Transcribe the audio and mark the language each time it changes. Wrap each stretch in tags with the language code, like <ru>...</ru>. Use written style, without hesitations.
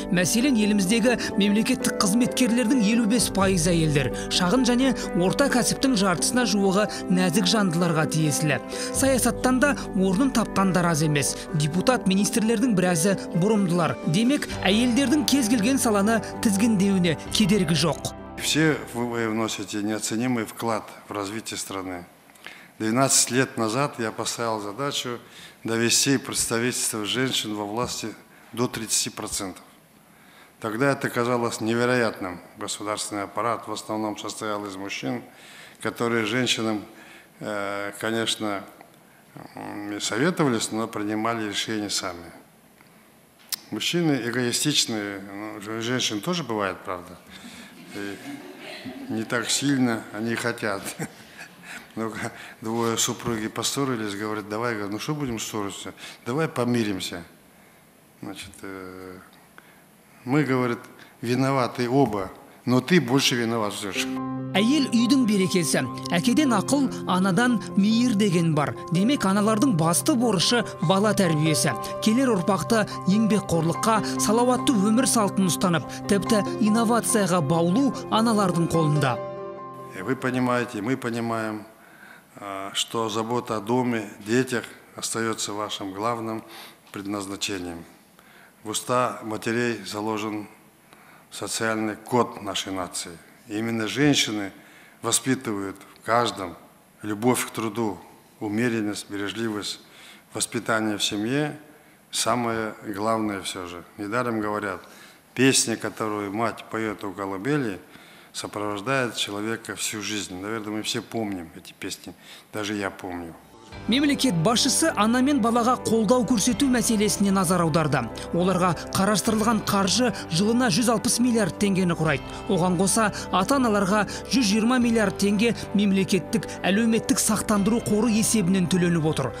<kk>Мәселен, еліміздегі мемлекеттік қызметкерлердің 55% әйелдер, шағын және орта кәсіптің жартысына жуығы нәзік жандыларға тиесілі. Саясаттан да орнын тапқандар аз емес. Депутат, министрлердің біразы бұрымдылар. Демек, әйелдердің кез келген саланы тізгіндеуіне кедергі жоқ.</kk> <ru>Все вы вносите неоценимый вклад в развитие страны. 12 лет назад я поставил задачу довести представительство женщин во власти до 30%. Тогда это казалось невероятным. Государственный аппарат в основном состоял из мужчин, которые женщинам, конечно, не советовались, но принимали решения сами. Мужчины эгоистичные, но женщин тоже бывает, правда. Не так сильно они хотят. Но двое супруги поссорились, говорят, давай, ну что будем ссориться, давай помиримся. Значит, мы, говорит, виноваты оба, но ты больше виноват все же.</ru> <kk>Әйел үйдің берекесі. Әкеден ақыл, анадан мейір деген бар. Демек, аналардың басты борышы бала тәрбиесі. Келер ұрпақты еңбекқорлыққа, салауатты өмір салтын ұстанып, тіпті инновацияға баулу аналардың қолында.</kk> <ru>Вы понимаете, мы понимаем, что забота о доме, детях остается вашим главным предназначением. В уста матерей заложен социальный код нашей нации. Именно женщины воспитывают в каждом любовь к труду, умеренность, бережливость, воспитание в семье. Самое главное все же. Недаром говорят, песня, которую мать поет у колыбели, сопровождает человека всю жизнь. Наверное, мы все помним эти песни, даже я помню.</ru> <kk>Мемлекет басшысы ана мен балаға қолдау көрсету мәселесіне назар аударды. Оларға қарастырылған қаржы жылына 160 миллиард теңгені құрайды. Оған қоса ата-аналарға 120 миллиард теңге мемлекеттік әлеуметтік сақтандыру қоры есебінен төленіп отыр.</kk>